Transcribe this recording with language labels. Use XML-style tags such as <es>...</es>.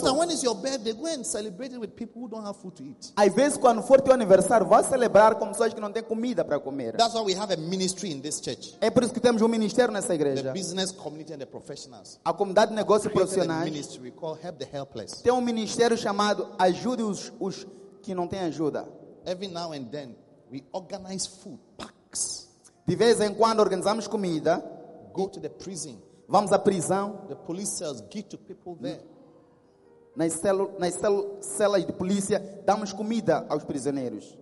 <en>Sometimes when is your birthday, go and celebrate it with people who don't have food to eat.</en> <pt>Às vezes quando for teu aniversário, vá celebrar com pessoas que não têm comida para comer.</pt> <en>That's why we have a ministry in this church.</en> <pt>É por isso que temos ministério nessa igreja.</pt> <en>The business community and the professionals.</en> <pt>A comunidade de negócios profissionais.</pt> <en>Ministry we call Help the Helpless.</en> <pt>Tem ministério chamado Ajude os que não têm ajuda.</pt> <en>Every now and then we organize food packs.</en> <pt>De vez em quando organizamos comida.</pt> <en>Go to the prison.</en> <pt>Vamos à prisão.</pt> <en>The police cells give to people there.</en> <pt>Nas celas de polícia damos comida aos prisioneiros.</pt>